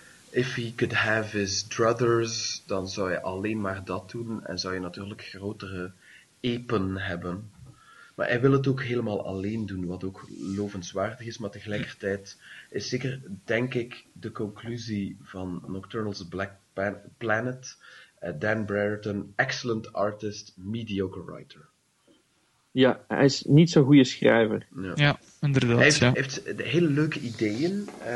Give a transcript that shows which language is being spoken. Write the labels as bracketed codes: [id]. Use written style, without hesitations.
[en] If he could have his druthers, [nl] dan zou je alleen maar dat doen. En zou je natuurlijk grotere epen hebben. Maar hij wil het ook helemaal alleen doen, wat ook lovenswaardig is. Maar tegelijkertijd is zeker, denk ik, de conclusie van Nocturnal's Black Planet. [en] Dan Brereton, excellent artist, mediocre writer. [nl] Ja, hij is niet zo'n goede schrijver. Ja, ja inderdaad. Hij heeft hele leuke ideeën.